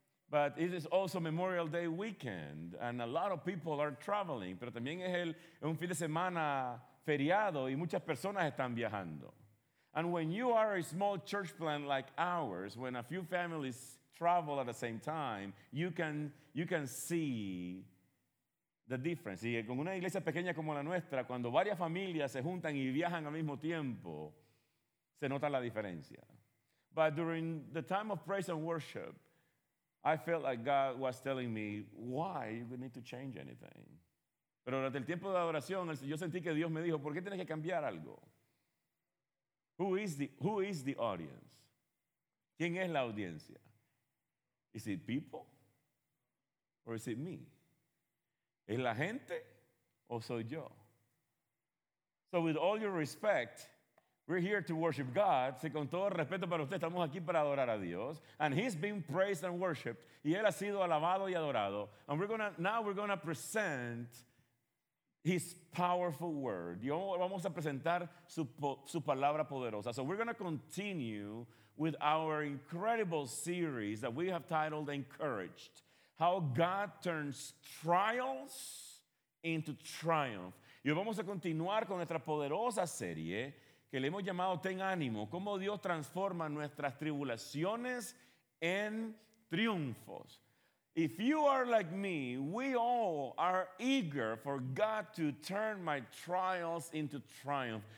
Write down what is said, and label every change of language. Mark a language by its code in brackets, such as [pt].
[en] But it is also Memorial Day weekend, and a lot of people are traveling. [es] Pero también es un fin de semana feriado, y muchas personas están viajando. [en] And when you are a small church plant like ours, when a few families travel at the same time, you can see the difference. [es] Y con una iglesia pequeña como la nuestra, cuando varias familias se juntan y viajan al mismo tiempo, se nota la diferencia. [en] But during the time of praise and worship, I felt like God was telling me, why do you need to change anything? [es] Pero durante el tiempo de adoración, yo sentí que Dios me dijo, ¿por qué tienes que cambiar algo? [en] Who is the audience? [es] ¿Quién es la audiencia? [en] Is it people? Or is it me? [es] ¿Es la gente o soy yo? [en] So with all your respect, we're here to worship God. [es] Si con todo respeto para usted, estamos aquí para adorar a Dios. [en] And he's been praised and worshipped. [es] Y él ha sido alabado y adorado. [en] And now we're gonna present his powerful word. [es] Y vamos a presentar su palabra poderosa. [en] So we're gonna continue with our incredible series that we have titled Encouraged. How God turns trials into triumph. [es] Y vamos a continuar con nuestra poderosa serie que le hemos llamado Ten Ánimo, cómo Dios transforma nuestras tribulaciones en triunfos. [en] If you are like me, we all are eager for God to turn my trials into triumph.